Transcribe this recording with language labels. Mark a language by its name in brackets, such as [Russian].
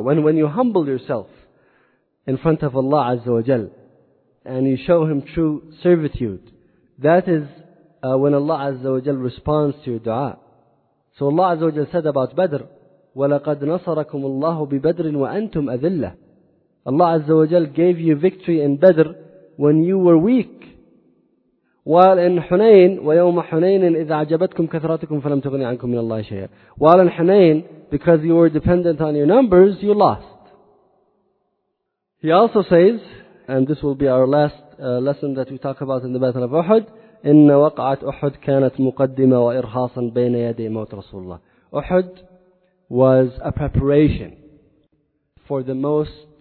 [English] When you humble yourself in front of Allah Azza wa Jal and you show Him true servitude, that is when Allah Azza wa Jal responds to your dua. So Allah Azza wa Jal said about Badr, [Arabic] وَلَقَدْ نَصَرَكُمُ اللَّهُ بِبَدْرٍ وَأَنْتُمْ أَذِلَّةٍ. [English] Allah Azza wa Jal gave you victory in Badr when you were weak. While in Hunayn, [Arabic] وَيَوْمَ حُنَيْنٍ إِذْ عَجَبَتْكُمْ كَثْرَتُكُمْ فَلَمْ تُغْنِ عَنْكُمْ مِنَ اللَّهِ شَيْئًا. [English] While in Hunayn, because you were dependent on your numbers, you lost. He also says, and this will be our last lesson that we talk about in the Battle of Uhud, [Arabic] إِنَّ وَقَعَتْ أُحُدْ كَانَتْ مُقَدِّمَ وَإِرْحَاصًا بَيْنَ يَدِي مَوْتِ رَسُولِ اللَّهِ. [English] Uhud was a preparation for the most